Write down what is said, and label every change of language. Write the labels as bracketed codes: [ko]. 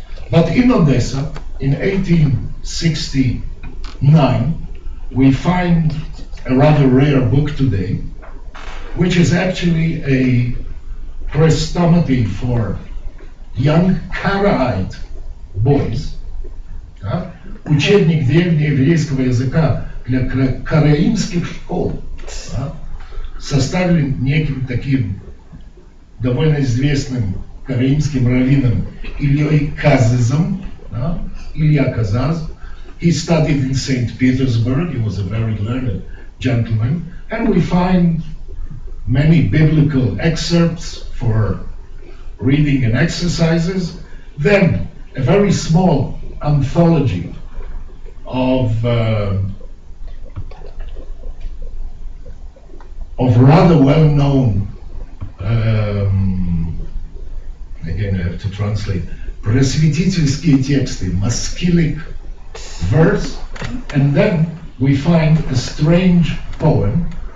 [en] But in Odessa, in 1869, we find a rather rare book today, which is actually a chrestomathy for young Karaite boys. [ru] Учебник древнееврейского языка для караимских школ, да, составлен неким таким довольно известным караимским раввином Ильей Казазом, да, Илья Казаз. [en] He studied in St. Petersburg, he was a very learned gentleman, and we find many biblical excerpts for reading and exercises. Then a very small anthology of rather well-known, again, I have to translate, [ru] просветительские тексты, [en] maskilic verse, and then we find a strange poem.